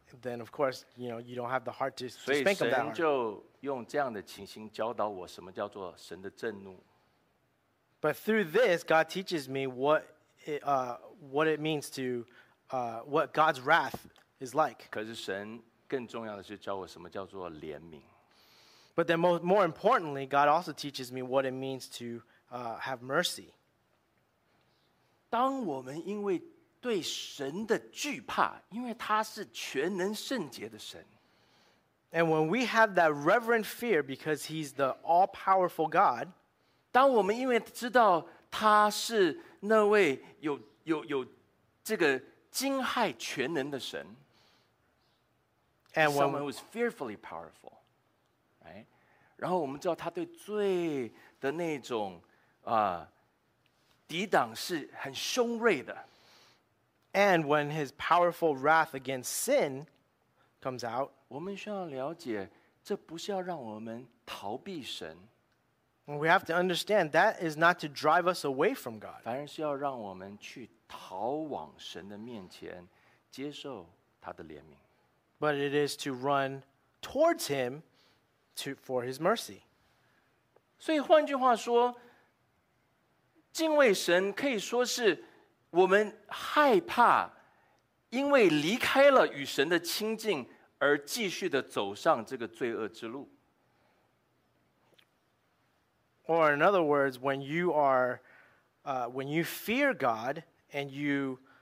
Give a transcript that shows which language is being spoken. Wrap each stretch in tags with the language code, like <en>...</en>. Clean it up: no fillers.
<en>Then of course, you know, you don't have the heart to spank them that hard.</en> <zh>所以神就用这样的情形教导我什么叫做神的震怒。</zh> <en>But through this, God teaches me what it means to what God's wrath is like.</en> <zh>可是神更重要的是教我什么叫做怜悯。</zh> <en>But then more importantly, God also teaches me what it means to have mercy.</en> <zh>当我们因为对神的惧怕，因为他是全能圣洁的神。</zh> <en>And when we have that reverent fear because he's the all-powerful God,</en> <zh>当我们因为知道他是那位有这个惊骇全能的神</zh> <en>and someone who is fearfully powerful, right?</en> <zh>然后我们知道他对罪的那种抵挡是很凶锐的</zh> <en>and when his powerful wrath against sin comes out,</en> <zh>我们需要了解这不是要让我们逃避神</zh> <en>We have to understand that is not to drive us away from God.</en> <zh>反而是要让我们去逃往神的面前，接受他的怜悯。</zh> <en>But it is to run towards him for his mercy.</en> <zh>所以换句话说，敬畏神可以说是我们害怕，因为离开了与神的亲近而继续的走上这个罪恶之路。</zh> <en>Or in other words, when you are, when you fear God and you,</en>